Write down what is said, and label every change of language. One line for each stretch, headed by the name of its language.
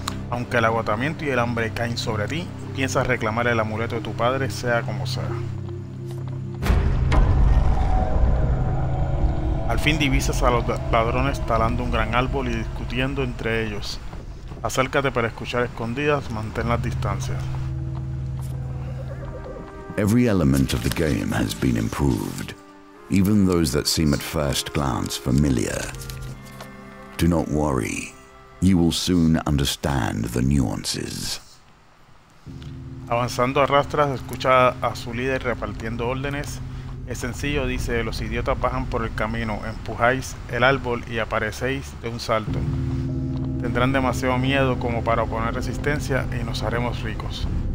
Spanish: Aunque el agotamiento y el hambre caen sobre ti, piensas reclamar el amuleto de tu padre, sea como sea. Al fin divisas a los ladrones talando un gran árbol y discutiendo entre ellos. Acércate para escuchar escondidas, mantén las distancias.
English: Every element of the game has been improved, even those that seem at first glance familiar. Do not worry, you will soon understand the nuances.
Spanish: Avanzando a rastras, escucha a su líder repartiendo órdenes. Es sencillo, dice, los idiotas bajan por el camino, empujáis el árbol y aparecéis de un salto. Tendrán demasiado miedo como para oponer resistencia y nos haremos ricos.